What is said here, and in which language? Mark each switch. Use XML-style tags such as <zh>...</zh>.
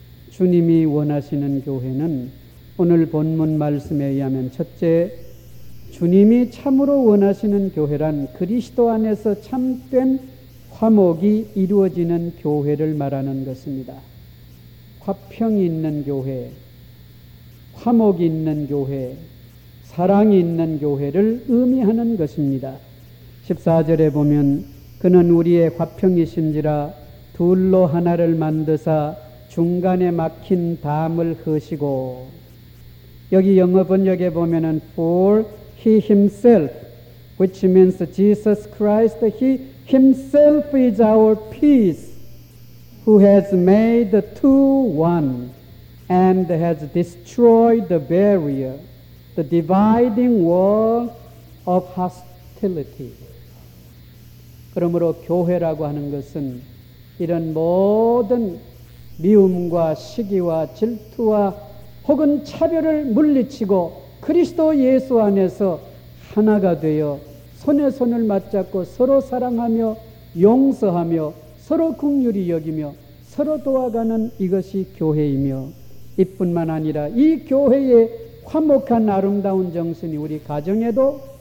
<ko>주님이 원하시는 교회는 오늘 본문 말씀에 의하면 첫째, 주님이 참으로 원하시는 교회란 그리스도 안에서 참된 화목이 이루어지는 교회를 말하는 것입니다. 화평이 있는 교회, 화목이 있는 교회, 사랑이 있는 교회를 의미하는 것입니다. 14절에 보면 그는 우리의 화평이신지라 둘로 하나를 만드사 중간에 막힌 담을 허시고, 여기 영어 번역에 보면은</ko> <en>for he himself, which means Jesus Christ, he himself is our peace, who has made the two one and has destroyed the barrier, the dividing wall of hostility.</en> <ko>그러므로 교회라고 하는 것은 이런 모든 미움과 시기와 질투와 혹은 차별을 물리치고 그리스도 예수 안에서 하나가 되어 손에 손을 맞잡고 서로 사랑하며 용서하며 서로 긍휼히 여기며 서로 도와가는 이것이 교회이며, 이뿐만 아니라 이 교회의 화목한 아름다운 정신이 우리 가정에도</ko>